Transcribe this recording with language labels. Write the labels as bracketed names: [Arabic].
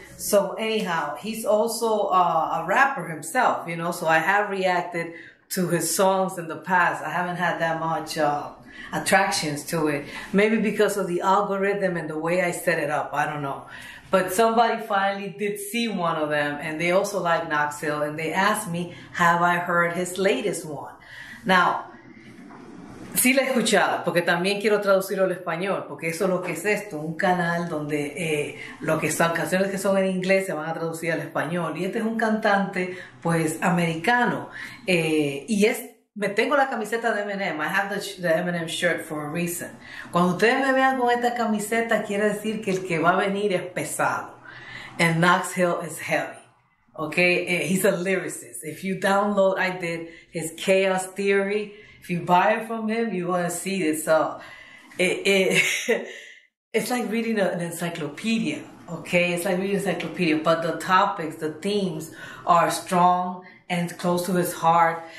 [English] So anyhow, he's also a rapper himself, you know, so I have reacted to his songs in the past. I haven't had that much attractions to it, maybe because of the algorithm and the way I set it up. I don't know. But somebody finally did see one of them, and they also like Knox Hill, and they asked me, have I heard his latest one? [Spanish] Now, sí la he escuchado, porque también quiero traducirlo al español, porque eso es lo que es esto, un canal donde lo que son canciones que son en inglés se van a traducir al español. Y este es un cantante, pues, americano. Y es, me tengo la camiseta de Eminem. [English] I have the Eminem shirt for a reason. [Spanish] Cuando ustedes me vean con esta camiseta, quiere decir que el que va a venir es pesado. [English] And Knox Hill is heavy. Okay? He's a lyricist. If you download, I did his Chaos Theory. If you buy it from him, you want to see this. So it's like reading an encyclopedia, okay? It's like reading an encyclopedia, but the topics, the themes are strong and close to his heart.